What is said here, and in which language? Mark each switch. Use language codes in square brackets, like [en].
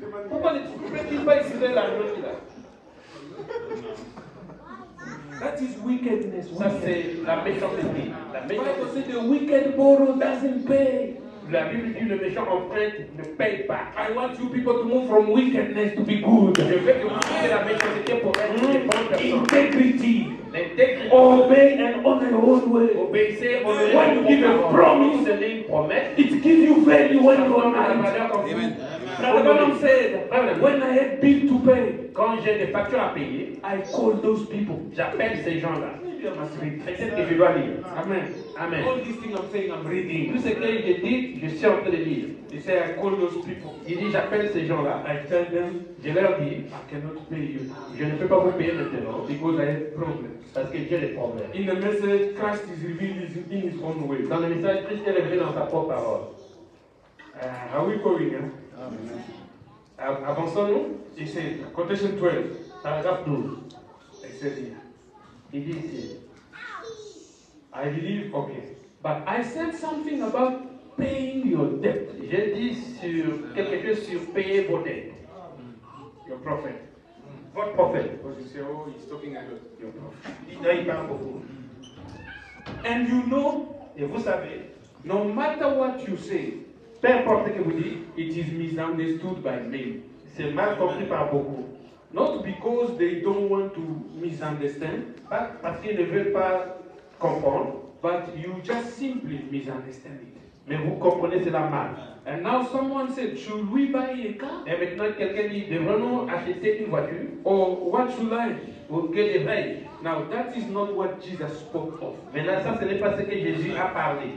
[fr] Pourquoi ne peux-tu pas utiliser la grosse là? [en] That is wickedness. [fr] Ça c'est la méchanceté. La méchanceté. [en] Bible says the wicked borrow doesn't pay. [fr] La Bible dit le méchant emprunte ne paye pas. [en] I want you people to move from wickedness to be good. [fr] Je veux que vous quittiez la méchanceté pour être une bonne personne. [en] Integrity. [fr] L'intégrité. [en] Obey and honor your own way. [fr] Obéissez, honorez. [en] When you give a promise, it gives you value when you are married. Amen. When I had bill to pay, [fr] quand j'ai des factures à payer, [en] I call those people. [fr] J'appelle ces gens-là. Peut-être que je dois lire. Amen. Amen. [en] All these things I'm saying, I'm reading. [fr] Tout ce que j'ai dit, je suis en train de lire. [en] He said, I call those people. [fr] Il dit, j'appelle ces gens-là. [en] I tell them, [fr] je leur dis, [en] I cannot pay you. [fr] Je ne peux pas vous payer maintenant. [en] Because I have problems. [fr] Parce que j'ai des problèmes. [en] In the message, Christ is revealed in his own way. [fr] Dans le message, Christ est révélé dans sa propre parole. [en] Are we going? Amen. [fr] Avançons-nous. Il dit, [en] quotation 12, [fr] paragraphe 12. Il dit ici. Il dit ici. [en] I believe, okay. But I said something about paying your debt. [fr] J'ai dit sur quelque chose sur payer vos dettes. [en] Your prophet. What prophet? Because you say, oh, he's talking about your prophet. [fr] Il parle beaucoup. [en] And you know, [fr] et vous savez, [en] no matter what you say, [fr] peu importe ce que vous dites, [en] it is misunderstood by many. [fr] C'est mal compris par beaucoup. [en] Not because they don't want to misunderstand, [fr] pas parce qu'ils ne veulent pas comprendre, [en] but you just simply misunderstand it. [fr] Mais vous comprenez cela mal. [en] And now someone said, should we buy a car? [fr] Et maintenant quelqu'un dit, devrons-nous acheter une voiture? [en] Or what should I? [fr] Pour que devrais-je? [en] Now that is not what Jesus spoke of. [fr] Maintenant ça ce n'est pas ce que Jésus a parlé.